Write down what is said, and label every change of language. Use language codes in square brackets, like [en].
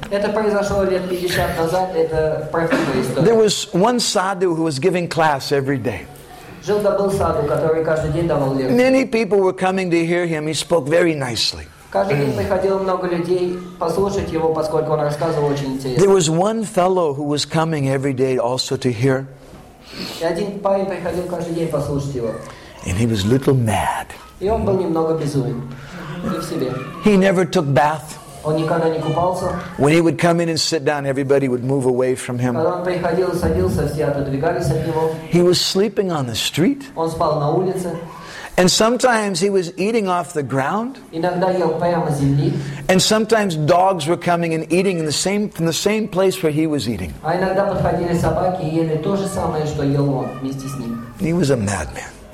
[en] There was one sadhu who was giving class every day. Many people were coming to hear him. He spoke very nicely. There was one fellow who was coming every day also to hear. [ru] И один парень приходил каждый день послушать его. [en] And he was a little mad. [ru] И он был немного безумен. [en] He never took bath. [ru] Он никогда не купался. [en] When he would come in and sit down, everybody would move away from him. [ru] Когда он приходил и садился, все отодвигались от него. [en] He was sleeping on the street. [ru] Он спал на улице. [en] And sometimes he was eating off the ground. And sometimes dogs were coming and eating in the same, from the same place where he was eating. He was a madman.